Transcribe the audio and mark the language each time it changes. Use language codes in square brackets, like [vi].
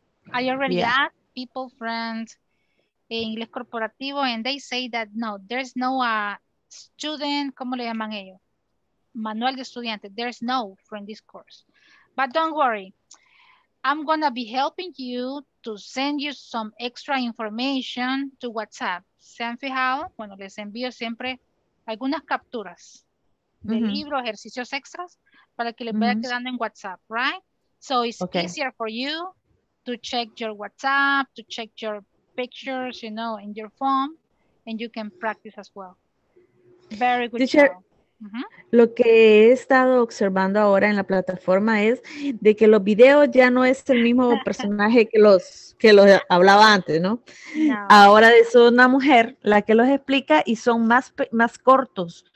[en] I already asked people, friends, Inglés Corporativo, and they say that no, there's no student, [es] ¿cómo le llaman ellos? Manual de estudiante. [en] There's no from this course. But don't worry. I'm gonna be helping you to send you some extra information to WhatsApp. [es] ¿Se han fijado? Bueno, les envío siempre algunas capturas de libros, ejercicios extras, para que les vaya quedando en WhatsApp, right? [en] So it's easier for you to check your WhatsApp, to check your pictures, you know, in your phone, and you can practice as well. Very good. [es] Teacher, lo que he estado observando ahora en la plataforma es de que los videos ya no es el mismo personaje que los hablaba antes, ¿no? No. Ahora es una mujer la que los explica y son más cortos.